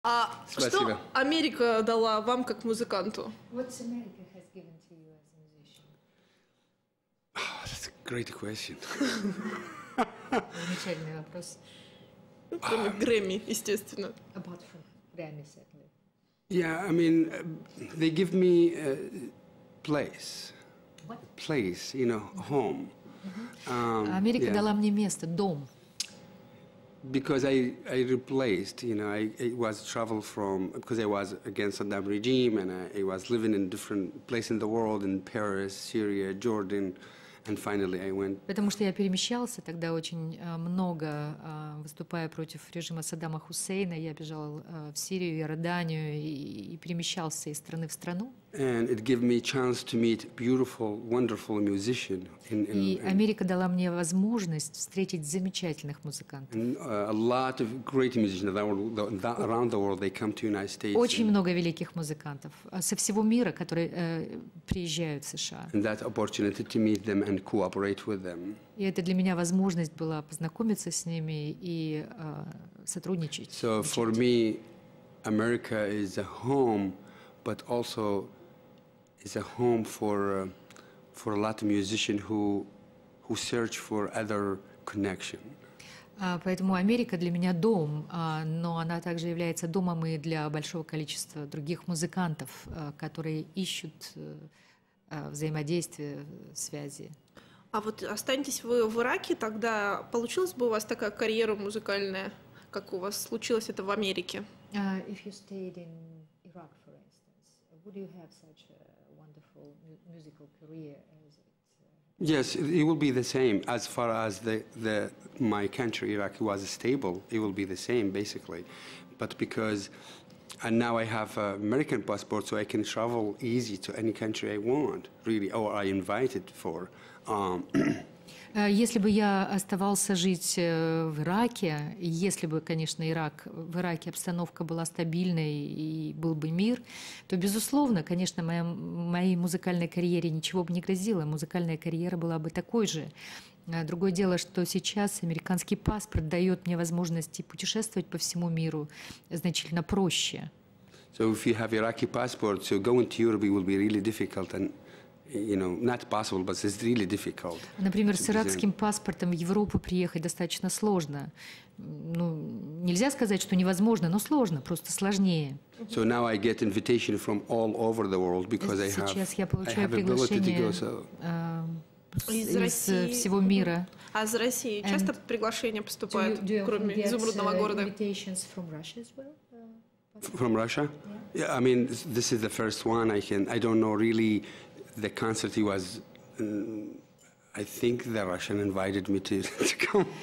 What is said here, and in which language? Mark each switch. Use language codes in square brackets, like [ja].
[ru] А что Америка дала вам как музыканту? Замечательный вопрос. Кроме Грэмми, естественно. [en] Apart from Grammy, certainly. Yeah, I mean, they give me a place. What? Place, you know, mm-hmm. home. Mm-hmm. [ru] Америка дала мне место, дом. [en] Because I replaced, you know, I was travel from, because I was against Saddam regime, and I was living in different place in the world, in Paris, Syria, Jordan, and finally I went. [ru] Потому что я перемещался тогда очень много, выступая против режима Саддама Хусейна, я бежал в Сирию, Иорданию, и перемещался из страны в страну. [en] And it gave me a chance to meet beautiful, wonderful musician. [ru] И Америка дала мне возможность встретить замечательных музыкантов. [en] A lot of great musicians around the world, they come to United States. [ru] Очень много великих музыкантов со всего мира, которые приезжают в США. [en] And that opportunity to meet them and cooperate with them. [ru] И это для меня возможность была познакомиться с ними и сотрудничать. [en] So for me, America is a home. But also, it's a home for a lot of musicians who search for other connection. [ru] Поэтому Америка для меня дом, но она также является домом и для большого количества других музыкантов, которые ищут взаимодействия, связи. А вот останетесь вы в Ираке, тогда получилась бы у вас такая карьера музыкальная, как у вас случилось это в Америке? [en] If you stayed in Iraq, for instance. Would you have such a wonderful musical career as it? Yes, it will be the same as far as the my country Iraq was stable. It will be the same basically, but because and now I have an American passport, so I can travel easy to any country I want, really, or I invited for. [ru] Если бы я оставался жить в Ираке, если бы, конечно, Ирак, в Ираке обстановка была стабильной и был бы мир, то, безусловно, конечно, моей музыкальной карьере ничего бы не грозило, музыкальная карьера была бы такой же. Другое дело, что сейчас американский паспорт дает мне возможности путешествовать по всему миру значительно проще. [en] So if you have Iraqi passport, so going to Europe will be really difficult and... You know, not possible, but it's really difficult. [ru] Например, с иракским паспортом в Европу приехать достаточно сложно. Ну, нельзя сказать, что невозможно, но сложно, просто сложнее. [en] So now I get invitation from all over the world because I have. [ru] Сейчас я получаю приглашения из всего мира. А из России часто приглашения поступают, кроме изумрудного города. [en] Invitations from Russia as well. From Russia? Yeah. Yeah. I mean, this is the first one. I don't know really. The concert he was, I think the Russian invited me to come.